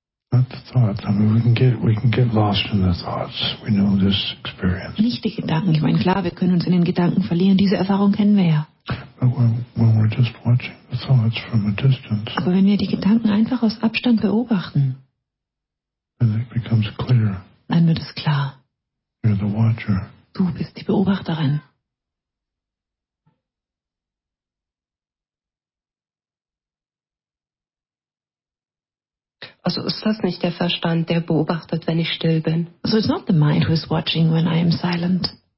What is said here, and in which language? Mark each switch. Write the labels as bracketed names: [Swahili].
[English] Not the thoughts. I mean, we can get lost in the thoughts. We know this experience. [German] Nicht die Gedanken. Ich meine, klar, wir können uns in den Gedanken verlieren. Diese Erfahrung kennen wir ja. Aber wenn wir die Gedanken einfach aus Abstand beobachten, dann wird es klar. [English] You're the watcher. [German] Du bist die Beobachterin. Also ist das nicht der Verstand, der beobachtet, wenn ich still bin? [English] So it's not the mind who is watching when I am silent.